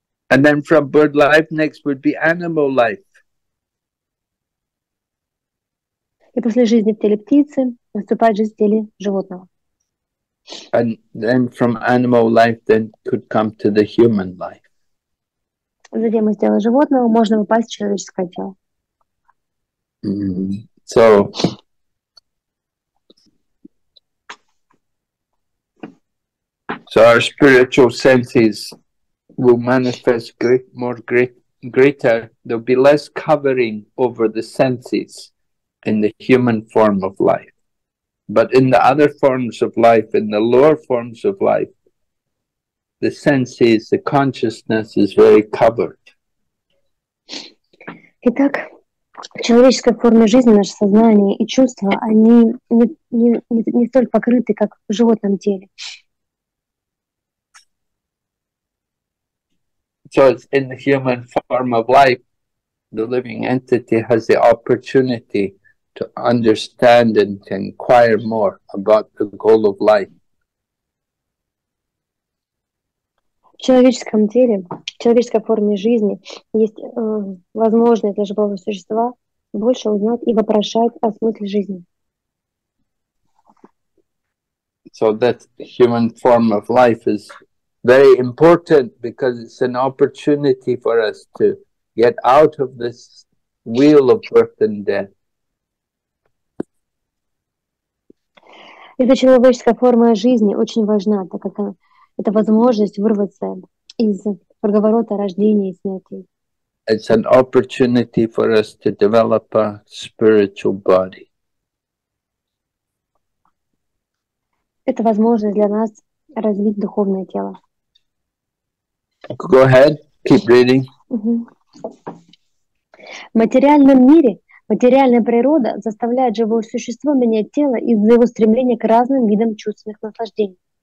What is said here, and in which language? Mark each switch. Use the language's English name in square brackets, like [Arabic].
[English] And then from bird life, next would be animal life. [Russian] И после жизни в теле птицы наступает жизнь в теле животного. [English] And then from animal life then could come to the human life. [Russian] Затем из тела животного можно попасть в человеческое тело. [English] So our spiritual senses will manifest greater, there'll be less covering over the senses. In the human form of life, but in the other forms of life, in the lower forms of life, the senses, the consciousness is very covered. [Russian] Итак, в человеческой форме жизни наше сознание и чувства, они не столь покрыты, как в животном теле. [English] So it's in the human form of life, the living entity has the opportunity to understand and to inquire more about the goal of life. [Russian] В человеческом теле, в человеческой форме жизни есть возможность для живого существа больше узнать и вопрошать о смысле жизни. [English] So that human form of life is very important because it's an opportunity for us to get out of this wheel of birth and death. [Russian] Эта человеческая форма жизни очень важна, так как это возможность вырваться из круговорота рождения и смерти. [English] It's an opportunity for us to develop a spiritual body. [Russian] Это возможность для нас развить духовное тело. [English] Go ahead, keep reading. [Russian] В материальном мире материальная природа заставляет живое существо менять тело из-за его стремления к разным видам чувственных наслаждений.